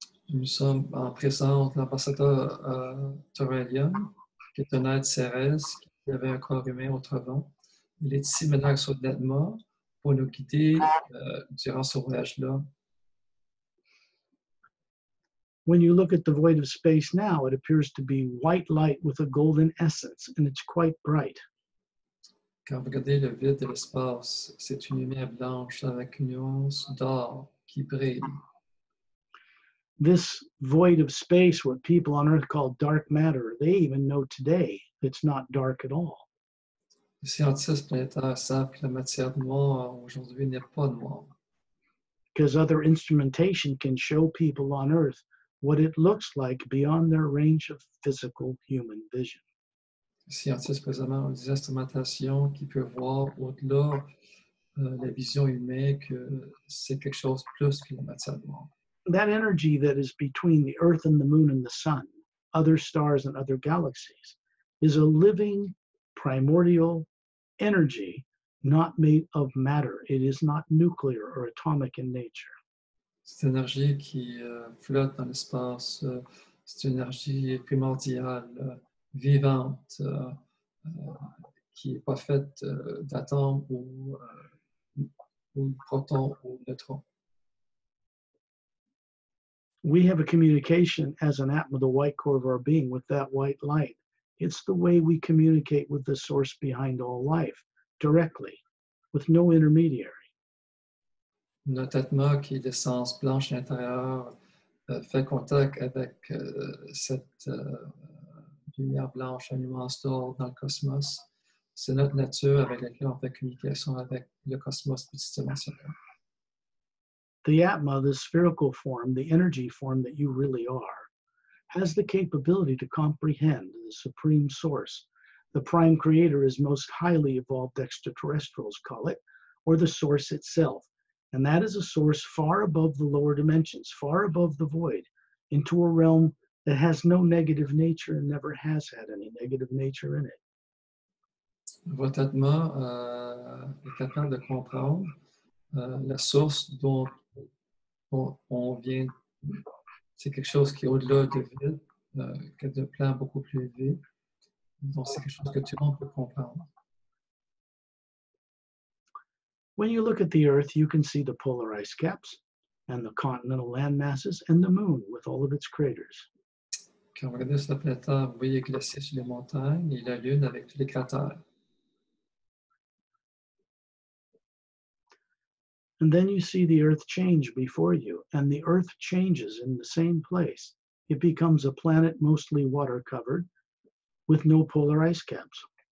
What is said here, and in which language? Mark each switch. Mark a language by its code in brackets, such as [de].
[fr] Nous sommes en présence de l'ambassadeur Torellian, qui est un être céleste, qui avait un corps humain autrefois. Il est ici maintenant sur l'Atma pour nous guider durant ce voyage-là. [en] When you look at the void of space now, it appears to be white light with a golden essence, and it's quite bright. [fr] Quand vous regardez le vide de l'espace, c'est une lumière blanche avec une nuance d'or qui brille. [en] This void of space, what people on Earth call dark matter, they even know today it's not dark at all. [fr] Les scientifiques planétaires savent que la matière noire aujourd'hui n'est pas noire. [en] Because other instrumentation can show people on Earth what it looks like beyond their range of physical human vision. [fr] Scientifiques présentement ont des instrumentations qui peuvent voir au-delà la vision humaine que c'est quelque chose plus que la matière noire. [en] That energy that is between the Earth and the Moon and the Sun, other stars and other galaxies, is a living, primordial energy not made of matter. It is not nuclear or atomic in nature. [fr] Cette énergie qui flotte dans l'espace, c'est une énergie primordiale, vivante, qui n'est pas faite d'atomes ou protons ou neutrons. [en] We have a communication as an atom of the white core of our being with that white light. It's the way we communicate with the source behind all life, directly, with no intermediary. [fr] Notre atma, qui est l'essence blanche intérieure, fait contact avec cette lumière blanche, une nuance d'or dans le cosmos, c'est notre nature avec laquelle on fait communication avec le cosmos multidimensionnel. [en] The Atma, the spherical form, the energy form that you really are, has the capability to comprehend the supreme source, the prime creator, as most highly evolved extraterrestrials call it, or the source itself. And that is a source far above the lower dimensions, far above the void, into a realm that has no negative nature and never has had any negative nature in it. [fr] Votre Atma est capable de comprendre la source dont on vient. C'est quelque chose qui est au-delà de vide, qui est de plan beaucoup plus élevé. Donc, c'est quelque chose que tout le monde peut comprendre. [en] When you look at the Earth, you can see the polar ice caps and the continental land masses and the moon with all of its craters. [fr] Quand on regarde sur la planète Terre, vous voyez les glaciers sur les montagnes et la Lune avec tous les cratères. [en] And then you see the Earth change before you, and the Earth changes in the same place. It becomes a planet mostly water-covered, with no polar ice caps.